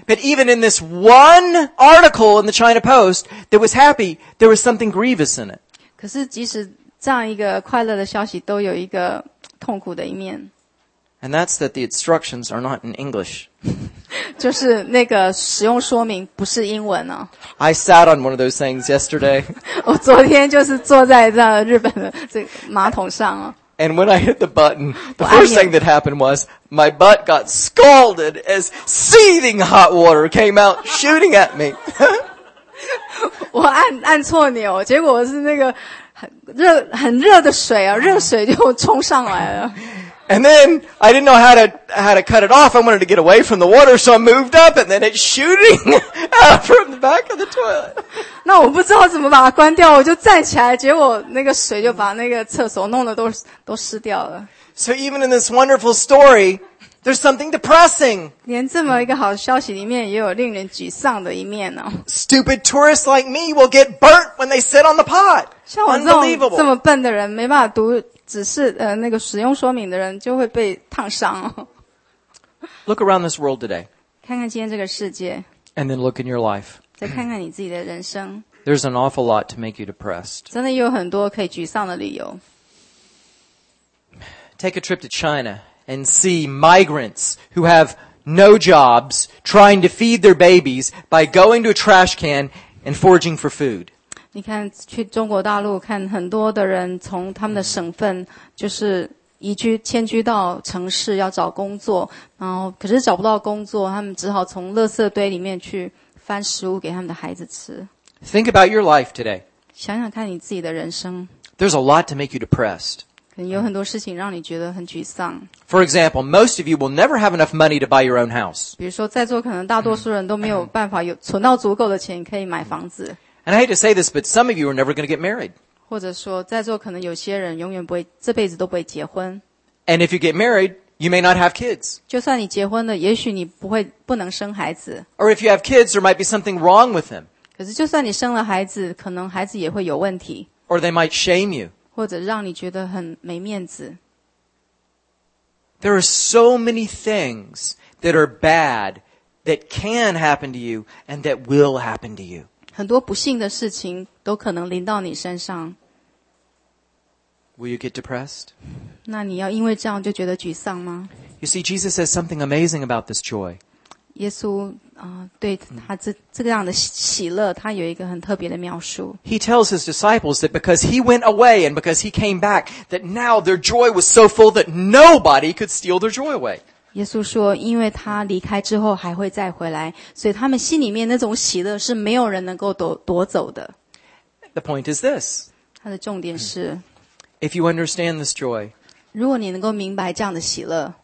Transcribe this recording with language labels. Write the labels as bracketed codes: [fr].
[en] But even in this one article in the China Post that was happy, there was something grievous in it. [zh] 可是即使这样一个快乐的消息都有一个痛苦的一面。 [en] And that's that the instructions are not in English. [zh] 就是那个使用说明不是英文啊。 [en] I sat on one of those things yesterday. [zh] 我昨天就是坐在这日本的这个马桶上啊。 [en] And when I hit the button, the first thing that happened was my butt got scalded as seething hot water came out shooting at me. [zh] 我按错钮，结果是那个很热的水啊，热水就冲上来了。 [en] And then I didn't know how to cut it off. I wanted to get away from the water, so I moved up, and then it's shooting out from the back of the toilet. [zh] 那我不知道怎么把它关掉，我就站起来，结果那个水就把那个厕所弄得都湿掉了。 [en] So even in this wonderful story, there's something depressing. [zh] 连这么一个好消息里面也有令人沮丧的一面呢。 [en] Stupid tourists like me will get burnt when they sit on the pot. [zh] 像我这么笨的人，没办法读。只是那个使用说明的人就会被烫伤。 [en] Look around this world today. [zh] 看看今天这个世界。 [en] And then look in your life. [zh] 再看看你自己的人生。 [en] There's an awful lot to make you depressed. [zh] 真的有很多可以沮丧的理由。 [en] Take a trip to China and see migrants who have no jobs trying to feed their babies by going to a trash can and foraging for food. [zh] 你看去中国大陆看很多的人从他们的省份就是迁居到城市要找工作然后可是找不到工作他们只好从垃圾堆里面去翻食物给他们的孩子吃。 [en] Think about your life today. [zh] 想想看你自己的人生。 [en] There's a lot to make you depressed. [zh] 可能有很多事情让你觉得很沮丧。 [en] For example, most of you will never have enough money to buy your own house. [zh] 比如说在座可能大多数人都没有办法有存到足够的钱可以买房子。 [en] And I hate to say this, but some of you are never going to get married. [zh] 或者说，在座可能有些人永远不会，这辈子都不会结婚。 [en] And if you get married, you may not have kids. [zh] 就算你结婚了，也许你不能生孩子。 [en] Or if you have kids, there might be something wrong with them. [zh] 可是就算你生了孩子，可能孩子也会有问题。 [en] Or they might shame you. [zh] 或者让你觉得很没面子。 [en] There are so many things that are bad that can happen to you and that will happen to you. [zh] 很多不幸的事情都可能临到你身上。 [en] Will you get depressed? [zh] 那你要因为这样就觉得沮丧吗？ [en] You see, Jesus says something amazing about this joy. [zh] 耶稣对他这样的喜乐，他有一个很特别的描述。 [en] He tells his disciples that because he went away and because he came back, that now their joy was so full that nobody could steal their joy away. [zh] 耶稣说因为他离开之后还会再回来所以他们心里面那种喜乐是没有人能够 夺走的 [en] The point is this [zh] 他的重点是 [en] If you understand this joy [zh] 如果你能够明白这样的喜乐